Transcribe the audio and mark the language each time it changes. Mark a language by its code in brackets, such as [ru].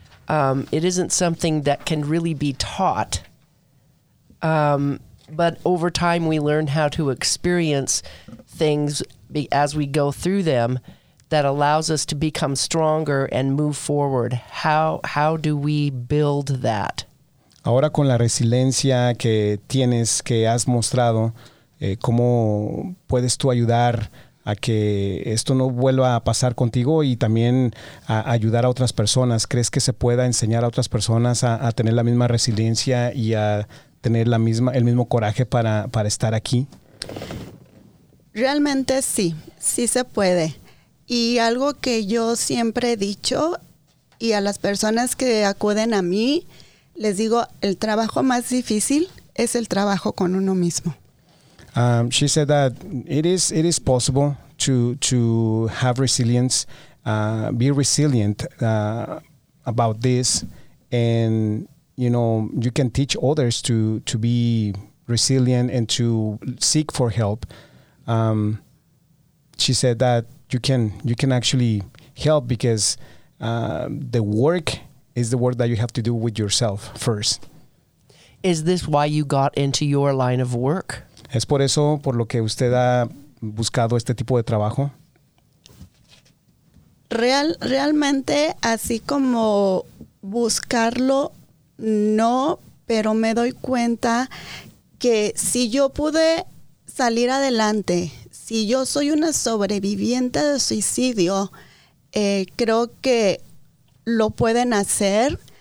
[en] It isn't something that can really be taught. But over time we learn how to experience things as we go through them that allows us to become stronger and move forward. How do we build that? [es] Ahora con la resiliencia que tienes, que has mostrado, ¿cómo puedes tú ayudar a que esto no vuelva a pasar contigo y también a ayudar a otras personas? ¿Crees que se pueda enseñar a otras personas a tener la misma resiliencia y a tener la misma, el mismo coraje para estar aquí? Realmente sí, sí se puede. Y algo que yo siempre he dicho y a las personas que acuden a mí, les digo, el trabajo más difícil es el trabajo con uno mismo. [en] She said that it is possible to have resilience, be resilient about this, and you know you can teach others to be resilient and to seek for help. She said that you can actually help because the work. Is the work that you have to do with yourself first. Is this why you got into your line of work? [es] ¿Es por eso por lo que usted ha buscado este tipo de trabajo? Realmente, así como buscarlo, no, pero me doy cuenta que si yo pude salir adelante, si yo soy una sobreviviente de suicidio, creo que lo pueden hacer.